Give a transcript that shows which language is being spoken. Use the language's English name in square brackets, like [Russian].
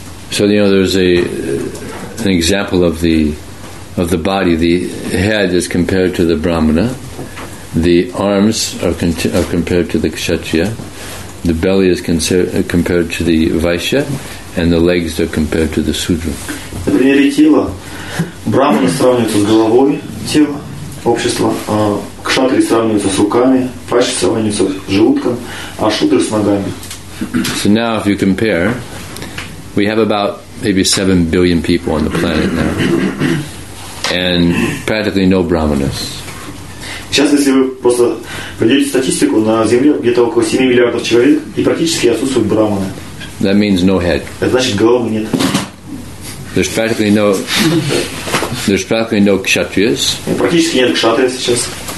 [English] So you know, there's an example of the body. The head is compared to the brahmana. The arms are compared to the kshatriya. The belly is compared to the vaishya. and the legs are compared to the sutra. [Russian] Например, тело брахманы сравнивается с головой тела общества, кшатри сравниваются с руками, ващи сравниваются с желудком, а шудры с ногами. [English] So now, if you compare, we have about maybe 7 billion people on the planet now, and practically no brahmanas. [Russian] Сейчас, если вы просто проведете статистику, на Земле где-то около 7 миллиардов человек, и практически отсутствуют брахманы. [English] That means no head. [Russian] Это значит, головы нет. [English] There's practically no kshatriyas. [Russian] Практически нет кшатрия сейчас.